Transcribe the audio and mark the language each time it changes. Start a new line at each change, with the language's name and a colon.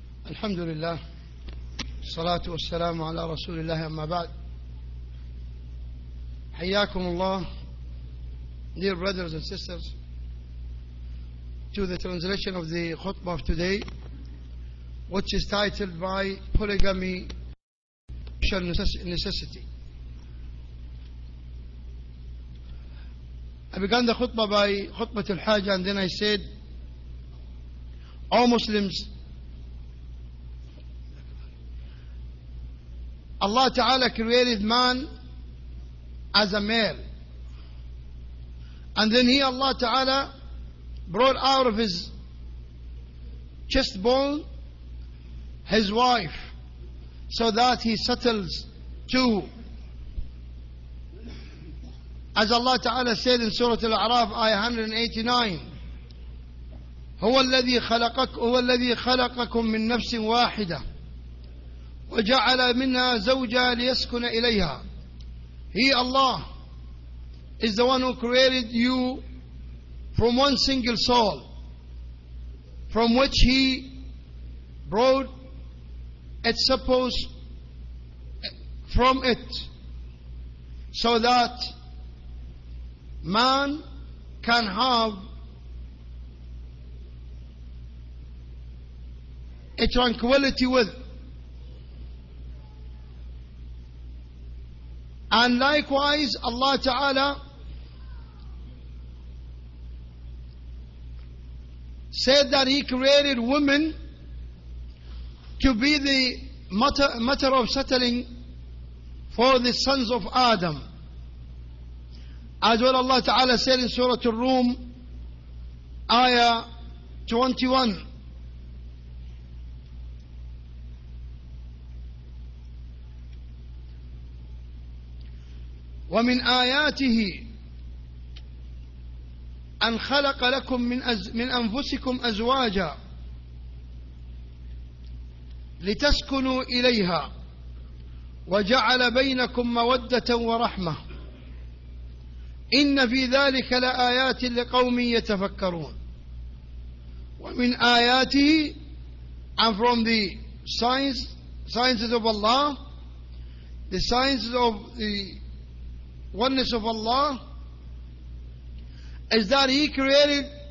Arabic: الحمد لله، الصلاة والسلام على رسول الله، أما بعد، حياكم الله.
English: Dear brothers and sisters, to the translation of the khutbah of today, which is titled by Polygamy Shall Necessity. I began the khutbah by khutbah al-haja, and then I said, all Muslims, Allah Ta'ala created man as a male. And then he, Allah Ta'ala, brought out of his chest bone his wife, so that he settles two. As Allah Ta'ala said in Surah Al-A'raf, Ayah 189,
Arabic: هو الذي خلقكم من نفس واحدة وجعل منها زوجها ليسكن إليها.
English: He, Allah, is the one who created you from one single soul, from which He brought its supposed from it, so that man can have a tranquility with. And likewise, Allah Ta'ala said that He created women to be the matter of settling for the sons of Adam. As well, Allah Ta'ala said in Surah Al-Rum, Ayah 21,
Arabic: ومن آياته أن خلق لكم من أنفسكم أزواجا لتسكنوا إليها وجعل بينكم مودة ورحمة إن في ذلك لآيات لقوم يتفكرون. ومن آياته,
English: and from the sciences of Allah, the sciences of the oneness of Allah, is that He created